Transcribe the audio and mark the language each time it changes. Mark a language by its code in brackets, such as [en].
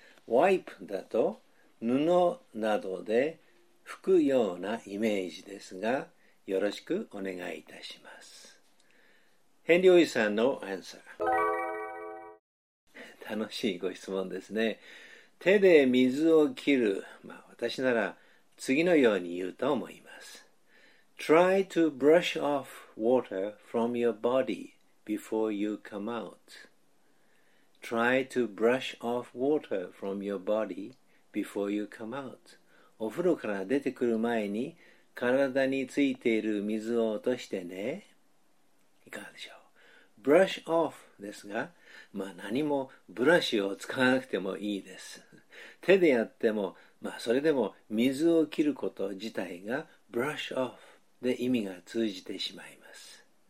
[ja] Wipe だと布などで拭くようなイメージですが、よろしくお願いいたします。ヘンリオイさんのアンサー。楽しいご質問ですね。手で水を切る。私なら次のように言うと思います。 [en] Try to brush off water from your body before you come out. Try to brush off water from your body before you come out. [ja] お風呂から出てくる前に体についている水を落としてね。いかがでしょう。brush off ですが、何もブラシを使わなくてもいいです。手でやっても、それでも水を切ること自体が brush off で意味が通じてしまいます。